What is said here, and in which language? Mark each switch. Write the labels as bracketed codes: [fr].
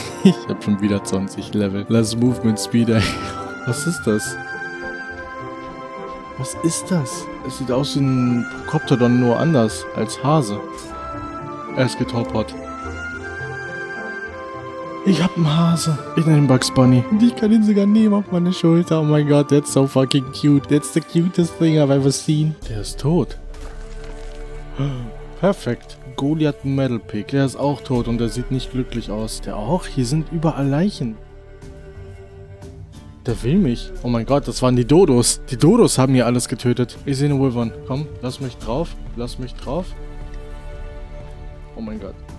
[de] Ich habe schon wieder 20 Level. Lass Movement Speed ein. Was ist das? Was ist das? Es sieht aus wie ein Prokoptodon, nur anders als Hase. Er ist getoppert. Ich hab einen Hase. Ich nenne ihn Bugs Bunny. Und ich kann ihn sogar nehmen auf meine Schulter. Oh mein Gott, [en] that's so fucking cute. That's the cutest thing I've ever seen. [de] Der ist tot. Perfekt. Goliath Metal Pig. Der ist auch tot und der sieht nicht glücklich aus. Der auch? Hier sind überall Leichen. Der will mich. Oh mein Gott, das waren die Dodos. Die Dodos haben hier alles getötet. Ich sehe eine Wyvern. Komm, lass mich drauf. Lass mich drauf. Oh mein Gott.